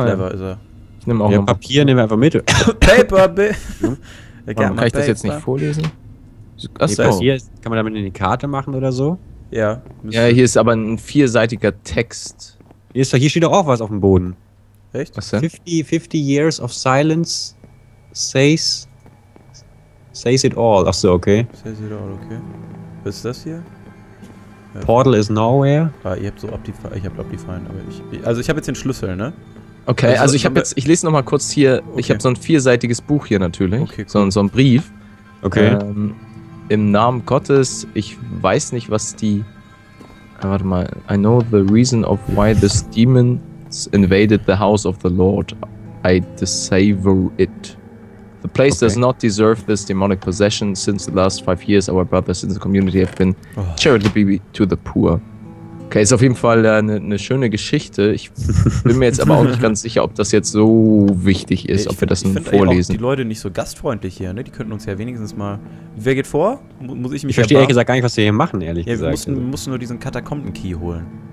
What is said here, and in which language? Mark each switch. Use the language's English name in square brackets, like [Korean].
[German] Clever ist er. Ich nehme auch noch Papier, nehmen wir einfach mit. Kann ich das jetzt nicht vorlesen? Kann man damit in die Karte machen oder so? Ja. Ja, hier ist aber ein vierseitiger Text. Hier steht doch auch was auf dem Boden. Echt? Was denn? [English] 50 years of silence says it all. [German] Ach so, okay. [English] Says it all, [German] okay. Was ist das hier? [English] Portal is nowhere. [German] Ah, ihr habt so Optifine. Ich hab Optifine, aber ich. Also, ich hab jetzt den Schlüssel, ne? Okay, also ich hab jetzt. Ich lese nochmal kurz hier. Okay. Ich hab so ein vierseitiges Buch hier natürlich. Okay, cool. So ein Brief. Okay. Im Namen Gottes, ich weiß nicht, was die. Warte mal. [English] I know the reason of why this demons invaded the house of the Lord. I desavour it. The place does not deserve this demonic possession. Since the last 5 years, our brothers in the community have been charitable to the poor. [German] Okay, ist auf jeden Fall eine schöne Geschichte. Ich bin mir jetzt aber auch nicht ganz sicher, ob das jetzt so wichtig ist, ob wir das nun vorlesen. Ich finde die Leute nicht so gastfreundlich hier, ne? Die könnten uns ja wenigstens mal... Wer geht vor? Muss ich mich ich verstehe ehrlich gesagt gar nicht, was wir hier machen, ehrlich gesagt. Wir mussten nur diesen Katakomben-Key holen.